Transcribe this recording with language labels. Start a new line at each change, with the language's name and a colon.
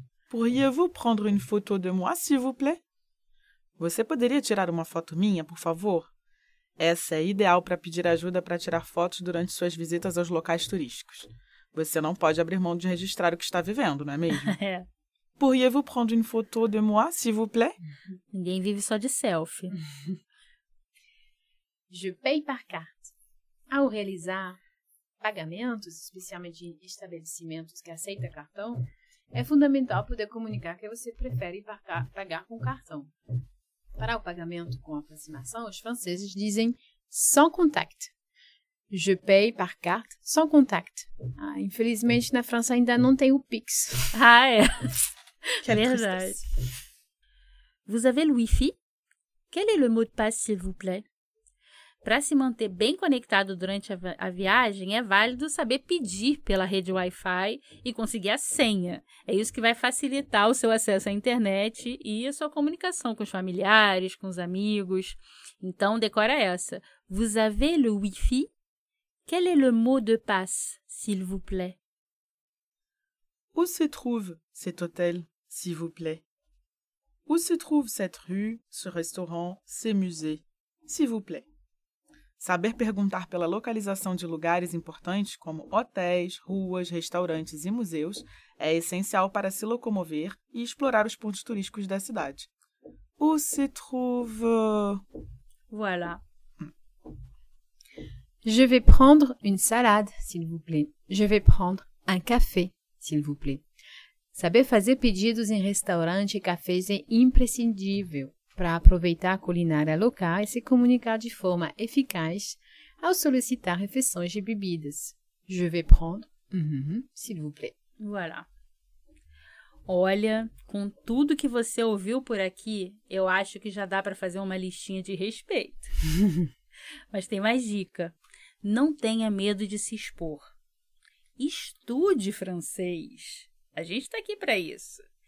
French: Pourriez-vous prendre une photo de moi, s'il vous plaît?
Portuguese: Você poderia tirar uma foto minha, por favor? Essa é ideal para pedir ajuda para tirar fotos durante suas visitas aos locais turísticos. Você não pode abrir mão de registrar o que está vivendo, não é mesmo?
French: Pourriez-vous prendre une photo de moi, s'il vous plaît?
Portuguese: Ninguém vive só de selfie.
French: Je paye par carte.
Portuguese: Ao realizar pagamentos, especialmente em estabelecimentos que aceitam cartão, é fundamental poder comunicar que você prefere pagar com cartão. Para o pagamento com aproximação, os franceses dizem sans contact.
French: Je paye par carte sans contact.
Portuguese: Ah, infelizmente, na França ainda não tem o Pix. Ah, é. Que verdade.
French: Vous avez le Wi-Fi? Quel est le mot de passe, s'il vous plaît?
Portuguese: Para se manter bem conectado durante a viagem, é válido saber pedir pela rede Wi-Fi e conseguir a senha. É isso que vai facilitar o seu acesso à internet e a sua comunicação com os familiares, com os amigos. Então, decora essa.
French: Vous avez le Wi-Fi? Quel est le mot de passe, s'il vous plaît? Où se trouve cet hôtel, s'il vous plaît? Où se trouve cette rue, ce restaurant, ce musée, s'il vous plaît?
Portuguese: Saber perguntar pela localização de lugares importantes, como hotéis, ruas, restaurantes e museus, é essencial para se locomover e explorar os pontos turísticos da cidade.
French: Où se trouve... Voilà. Je vais prendre une salade, s'il vous plaît. Je vais prendre un café, s'il vous plaît.
Portuguese: Saber fazer pedidos em restaurantes e cafés é imprescindível para aproveitar a culinária local e se comunicar de forma eficaz ao solicitar refeições e bebidas.
French: Je vais prendre, s'il vous plaît. Voilà.
Portuguese: Olha, com tudo que você ouviu por aqui, eu acho que já dá para fazer uma listinha de respeito. Mas tem mais dica. Não tenha medo de se expor. Estude francês. A gente está aqui para isso.